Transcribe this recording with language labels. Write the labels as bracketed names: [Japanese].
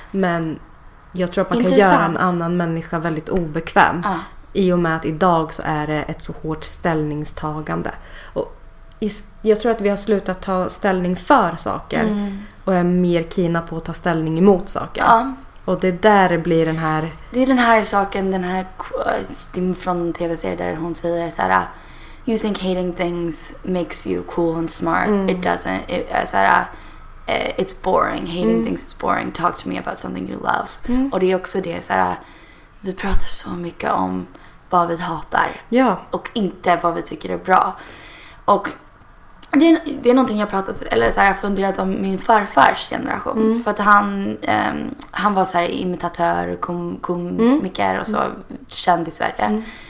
[Swedish] Men jag tror att man kan göra en annan människa väldigt obekväm, i och med att idag så är det ett så hårt ställningstagande, och jag tror att vi har slutat ta ställning för saker och är mer kina på att ta ställning emot saker. Ja. Och det där blir den här, det är den här saken, den här från TV-serien där hon säger så här, [English] you think hating things makes you cool and smart. It doesn't. It, [Swedish] så här, [English] it's boring. Hating things is boring. Talk to me about something you love. [Swedish] Och det är också det så här, vi pratar så mycket om vad vi hatar. Ja. Och inte vad vi tycker är bra. Och det är någonting jag pratat, eller så här, jag funderat om min farfars generation. För att han var så här imitatör, komiker och så, känd i Sverige.